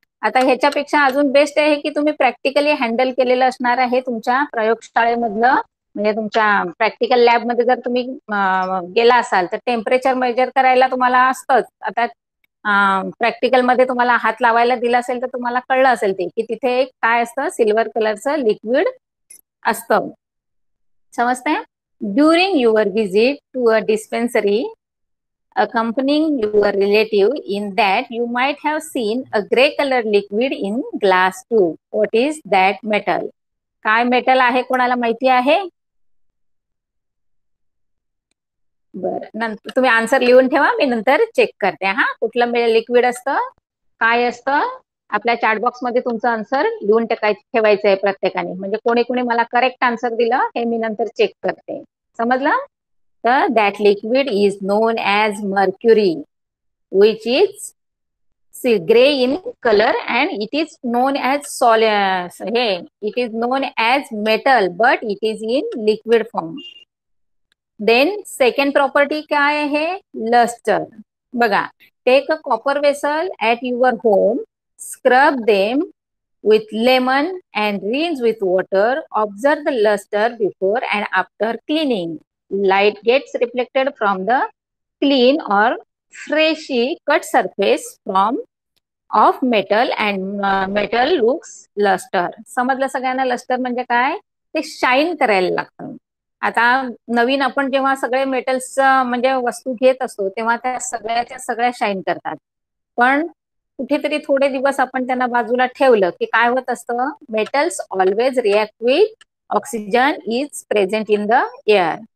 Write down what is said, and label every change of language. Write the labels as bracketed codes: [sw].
[mr] आता ह्याच्यापेक्षा अजून बेस्ट आहे की तुम्ही प्रॅक्टिकली हँडल केलेलं असणार आहे तुमच्या प्रयोगशाळेमधलं, म्हणजे तुमच्या प्रॅक्टिकल लॅबमध्ये जर तुम्ही गेला असाल तर टेम्परेचर मेजर करायला तुम्हाला असतंच. आता प्रॅक्टिकलमध्ये तुम्हाला हात लावायला दिला असेल तर तुम्हाला कळलं असेल ते की तिथे एक काय असतं, सिल्वर कलरचं लिक्विड असतं. समजतंय. [en] During your visit to a dispensary accompanying your relative in that you might have seen a grey color liquid in glass tube. What is that metal? [mr] काय मेटल आहे कोणाला माहिती आहे? बरं, नंतर तुम्ही आन्सर लिहून ठेवा, मी नंतर चेक करते. हा, कुठलं लिक्विड असतं काय असतं आपल्या चॅट बॉक्स मध्ये तुमचं आन्सर लिहून ठेवायचं आहे प्रत्येकाने. म्हणजे कोणी कोणी मला करेक्ट आन्सर दिलं हे मी नंतर चेक करते. समजलं? तर [en] That liquid is known as mercury which is see grey in colour and it is known as solid hey it is known as metal but it is in liquid form. Then second property [mr] काय आहे? [en] Lustre. [mr] बघा, [en] Take a copper vessel at your home, scrub them with lemon and rinse with water, observe the lustre before and after cleaning. Light gets reflected from the clean or freshly cut surface from off metal and metal looks lustre. [mr] समजलं सगळ्यांना lustre म्हणजे काय? ते shine करायला लागतं. आता नवीन आपण जेव्हा सगळे मेटल्स म्हणजे वस्तू घेत असतो तेव्हा त्या सगळ्याच्या सगळ्या शाईन करतात, पण कुठेतरी थोडे दिवस आपण त्यांना बाजूला ठेवलं की काय होत असतं? [en] Metals always react with oxygen is present in the air.